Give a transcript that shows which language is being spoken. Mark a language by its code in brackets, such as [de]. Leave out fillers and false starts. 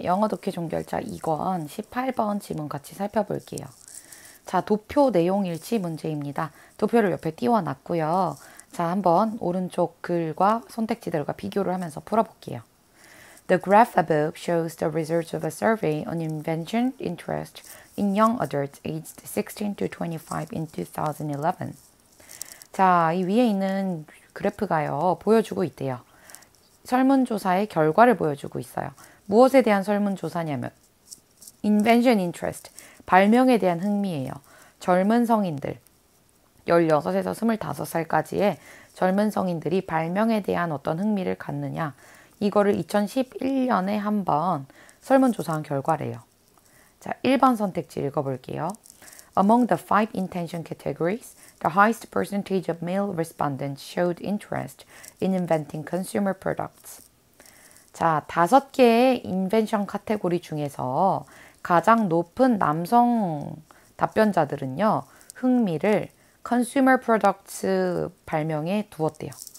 [ko] 영어 독해 종결자 2권 18번 지문 같이 살펴볼게요. 자, 도표 내용일치 문제입니다. 도표를 옆에 띄워놨고요. 자, 한번 오른쪽 글과 선택지들과 비교를 하면서 풀어볼게요. [en] The graph above shows the results of a survey on invention interest in young adults aged 16 to 25 in 2011. [ko] 자, 이 위에 있는 그래프가요, 보여주고 있대요. 설문조사의 결과를 보여주고 있어요. 무엇에 대한 설문조사냐면, invention interest, 발명에 대한 흥미예요. 젊은 성인들, 16에서 25살까지의 젊은 성인들이 발명에 대한 어떤 흥미를 갖느냐, 이거를 2011년에 한번 설문조사한 결과래요. 자, 1번 선택지 읽어볼게요. [en] Among the five intention categories, the highest percentage of male respondents showed interest in inventing consumer products. [ko] 자, 다섯 개의 invention 카테고리 중에서 가장 높은 남성 답변자들은요, 흥미를 consumer products 발명에 두었대요.